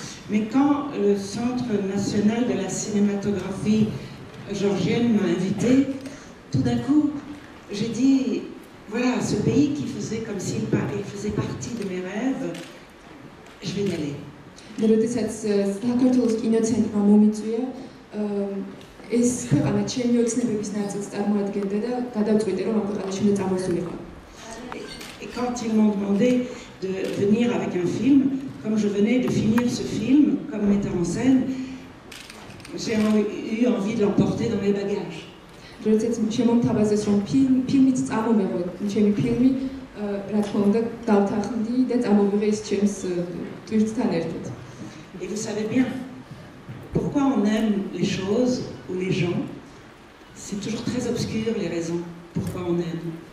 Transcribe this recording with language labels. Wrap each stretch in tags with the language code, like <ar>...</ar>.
<fr>Mais quand le Centre national de la cinématographie géorgienne m'a invité, tout d'un coup, j'ai dit, voilà, ce pays qui faisait comme s'il faisait partie de mes rêves, je vais y aller.</fr> <ka>Როდესაც საქართველოს კინოცენტრმა მომიწვია, ეს ქვეყანა ჩემი ოცნებების ნაწილს წარმოადგენდა და გადავწყვიტე, რომ ამ ქვეყანაში უნდა წამოსულიყო.</ka> <fr>Et quand ils m'ont demandé de venir avec un film, comme je venais de finir ce film comme metteur en scène, j'ai eu envie de l'emporter dans mes bagages.</fr> <ka>როდესაც შემომთავაზე, რომ ფილმიც წამომეღო, ჩემი ფილმი, რა თქმა უნდა, დავთანხმდი და წამოვიღე ის ჩემს ტვირთთან ერთად.</ka> <fr>Et vous savez bien, pourquoi on aime les choses ou les gens, c'est toujours très obscur les raisons pourquoi on aime.</fr>